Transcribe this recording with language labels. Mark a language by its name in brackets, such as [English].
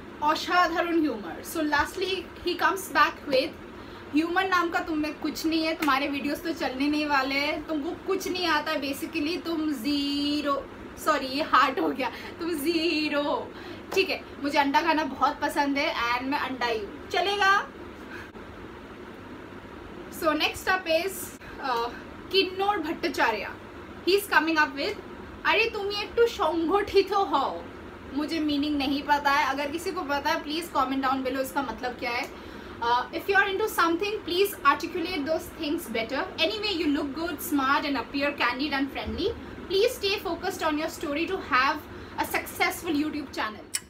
[Hindi] असाधारण humour. [English] so lastly he comes back with, [Hindi] human नाम का तुम्हें कुछ नहीं है, तुम्हारे वीडियोस तो चलने नहीं वाले हैं, तुमको कुछ नहीं आता है बेसिकली, तुम जीरो, सॉरी ये हार्ट हो गया, तुम जीरो, ठीक है। मुझे अंडा खाना बहुत पसंद है एंड मैं अंडा ही हूँ, चलेगा। [English] So next up is Kinnaur Bhattacharya. He is coming up with, [Hindi] अरे तुम ये तो संगठित हो. मुझे मीनिंग नहीं पता है. अगर किसी को पता है [English] please comment down below [Hindi] इसका मतलब क्या है. [English] If you are into something please articulate those things better. Anyway you look good smart and appear candid and friendly. Please stay focused on your story to have a successful YouTube channel.